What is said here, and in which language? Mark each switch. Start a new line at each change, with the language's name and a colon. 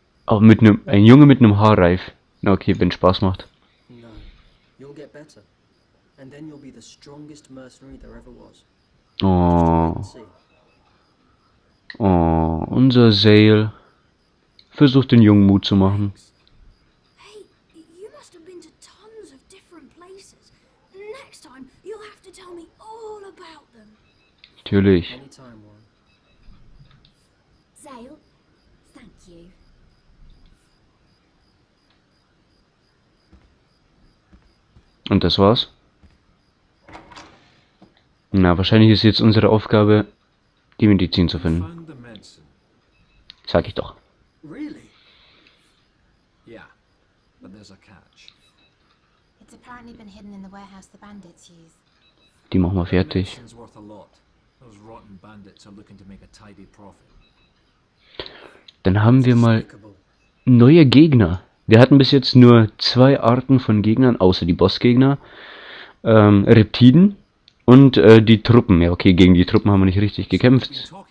German: Auch mit einem, ein Junge mit einem Haarreif. Na okay, wenn Spaß macht.
English: You'll get better, and then you'll be the strongest mercenary there ever was.
German: Oh. Oh, unser Zale. Versucht den Jungen Mut zu machen.
English: Hey, you must have been to tons of different places. Next time, you'll have to tell me all about them.
German: Natürlich.
English: Zale, thank you.
German: Und das war's. Na, wahrscheinlich ist jetzt unsere Aufgabe, die Medizin zu finden. Sag ich doch.
English: Really? Yeah, but there's a catch. It's apparently been hidden in the warehouse the bandits use.
German: Die machen wir fertig.
English: It's worth a lot. Those rotten bandits are looking to make a tidy profit.
German: Dann haben wir mal neue Gegner. Wir hatten bis jetzt nur zwei Arten von Gegnern, außer die Bossgegner, Reptiden und die Truppen. Ja, okay, gegen die Truppen haben wir nicht richtig gekämpft.